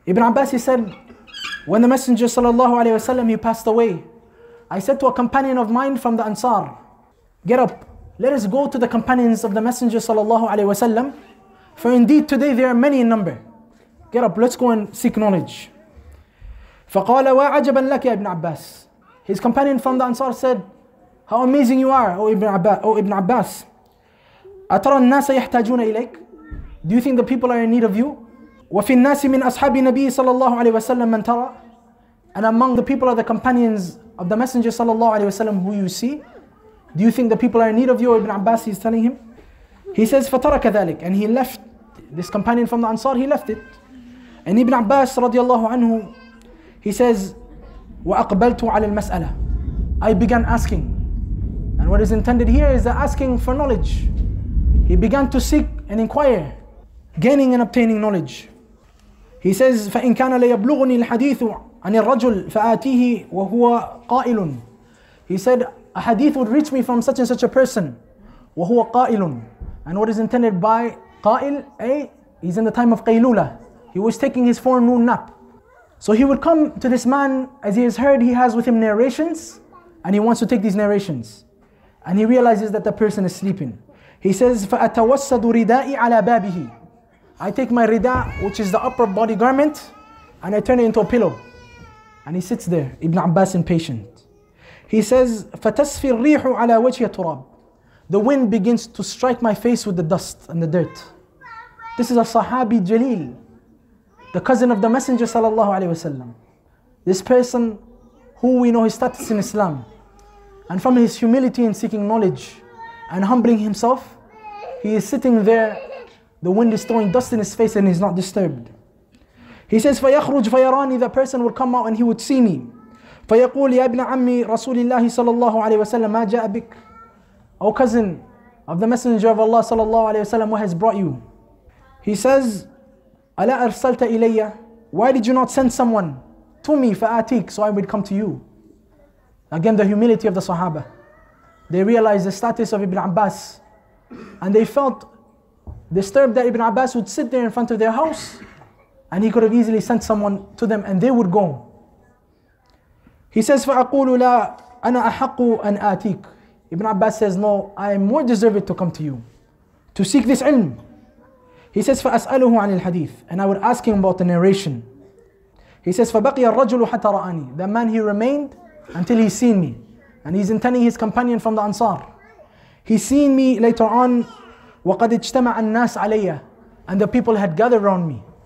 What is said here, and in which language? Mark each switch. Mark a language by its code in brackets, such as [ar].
[en] Ibn Abbas, he said, when the Messenger صلى الله عليه وسلم, he passed away, I said to a companion of mine from the Ansar, get up, let us go to the companions of the Messenger sallallahu alayhi wa sallam, for indeed today there are many in number. Get up, let's go and seek knowledge. [ar] فَقَالَ وَعَجَبًا لَكَ يَا إِبْنَ Abbas. [en] His companion from the Ansar said, how amazing you are, O Ibn Abbas. [ar] أَتَرَى النَّاسَ يَحْتَاجُونَ إِلَيْكَ. [en] Do you think the people are in need of you? [ar] وَفِي النَّاسِ مِنْ أَصْحَابِ نَبِيِّ صَلَى اللَّهُ عَلَيْهِ وَسَلَّمَ مَنْ تَرَى. [en] And among the people are the companions of the Messenger sallallahu alayhi wa sallam who you see. Do you think the people are in need of you? Ibn Abbas is telling him. He says, [ar] فَتَرَكَ ذَلِكَ. [en] And he left this companion from the Ansar, he left it. And Ibn Abbas radiallahu anhu, he says, [ar] وَأَقْبَلْتُ عَلَى الْمَسْأَلَةِ. [en] I began asking. And what is intended here is the asking for knowledge. He began to seek and inquire, gaining and obtaining knowledge. He says, [ar] فَإِنْ كَانَ لَيَبْلُغُنِي الْحَدِيثُ عَنِ الرَّجُلِ فَآتِيهِ وَهُوَ قَائِلٌ. [en] He said, a hadith would reach me from such and such a person. [ar] وَهُوَ قَائِلٌ. [en] And what is intended by قَائِل, he's in the time of قَيْلُولَة. He was taking his forenoon nap. So he would come to this man, as he has heard, he has with him narrations, and he wants to take these narrations. And he realizes that the person is sleeping. He says, [ar] فَأَتَوَسَّدُ رِدَاءِ عَلَى بَابِهِ. [en] I take my rida, which is the upper body garment, and I turn it into a pillow. And he sits there, Ibn Abbas impatient. [ar] He says, فَتَسْفِ الرِّيحُ عَلَى وَجْهِ التُرَابِ. [en] The wind begins to strike my face with the dust and the dirt. This is a Sahabi Jalil, the cousin of the Messenger sallallahu alaihi wasallam. This person who we know his status in Islam, and from his humility in seeking knowledge and humbling himself, he is sitting there, the wind is throwing dust in his face and he's not disturbed. He says, [ar] فَيَخْرُجْ فَيَرَانِي. [en] The person would come out and he would see me. [ar] فَيَقُولِ يَا ابْنَ عَمِّ رَسُولِ اللَّهِ صَلَى اللَّهُ عَلَيْهِ وَسَلَّمْ مَا جَاءَ بِكْ. [en] O cousin of the Messenger of Allah sallallahu alayhi wasallam, what has brought you? He says, [ar] أَلَا أَرْسَلْتَ إِلَيَّ. [en] Why did you not send someone to me [ar] فَآتِيك, [en] so I would come to you? Again, the humility of the Sahaba. They realized the status of Ibn Abbas, and they felt disturbed that Ibn Abbas would sit there in front of their house, and he could have easily sent someone to them and they would go. He says, [ar] فَأَقُولُ لَا أَنَا أَحَقُّ أَنْ آتِيك. [en] Ibn Abbas says, no, I am more deserving to come to you to seek this ilm. He says, [ar] فَأَسْأَلُهُ عَنِ الْحَدِيثِ. [en] And I would ask him about the narration. He says, [ar] فَبَقِيَ الرَّجُلُ حَتَّى رَآنِي. [en] The man, he remained until he's seen me. And he's intending his companion from the Ansar. He's seen me later on. [ar] وَقَدْ اجْتَمَعَ النَّاسِ عَلَيَّ. [en] And the people had gathered around me.